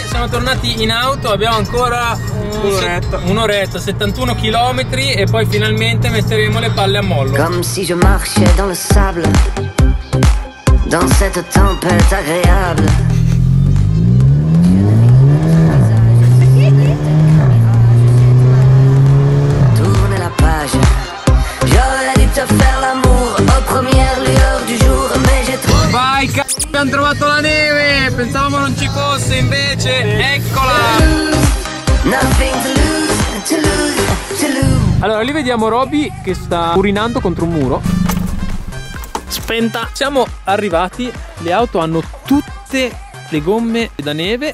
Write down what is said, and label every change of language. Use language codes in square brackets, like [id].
[it] Tornati in auto, abbiamo ancora un'oretta, 71 km e poi finalmente metteremo le palle a mollo. [fr] Comme si je marchais dans le sable, dans cette tempête agréable. Tourne la page. J'aurais dû te faire l'amour aux premières lueurs du jour, mais j'ai trop. [it] Vai, abbiamo trovato la neve, pensavamo non ci fosse, invece eccola. Allora lì vediamo Roby che sta urinando contro un muro. Spenta. Siamo arrivati, le auto hanno tutte le gomme da neve.